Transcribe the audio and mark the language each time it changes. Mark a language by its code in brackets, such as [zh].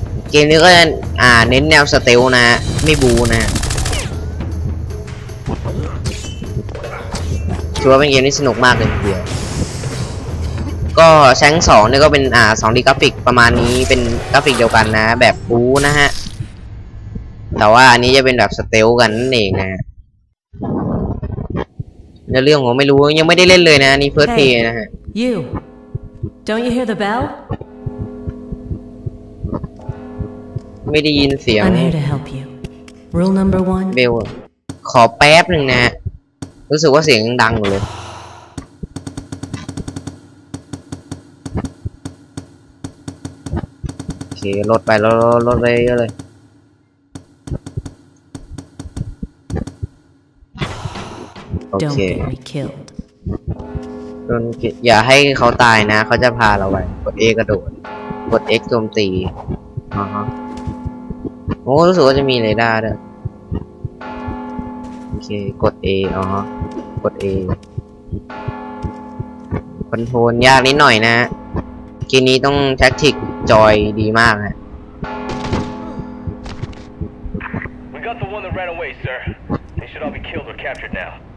[th] เกมนี้ก็เน้นแนวสเตลนะฮะไม่บูนะฮะถือว่าเป็นเกมที่สนุกมากเลยทีเดียวก็แชงสองเนี่ยก็เป็น2D กราฟิกประมาณนี้เป็นกราฟิกเดียวกันนะแบบบู๊นะฮะแต่ว่าอันนี้จะเป็นแบบสเตลกันนั่นเองนะเรื่องผมไม่รู้ยังไม่ได้เล่นเลยนะนี่เฟิร์สเพลย์นะฮะ [en] You Don't you hear the bell [th] ไม่ได้ยินเสียง [en] I'm here to help you Rule number 1 [th] เบลขอแป๊บนึงนะรู้สึกว่าเสียงดังเลยโอเคลดไปลดไปเยอะเลย โอเคจนอย่าให้เขาตายนะเขาจะพาเราไปกด A กระโดดกด X โจมตีอ๋อโอ้รู้สึกว่าจะมีเรดาร์ด้วยโอเคกด A อ๋อกด A คอนโทรลยากนิดหน่อยนะทีนี้ต้องแท็กติกจอยดีมากฮะ [en] We got the one that ran away sir. They should all be killed or captured now.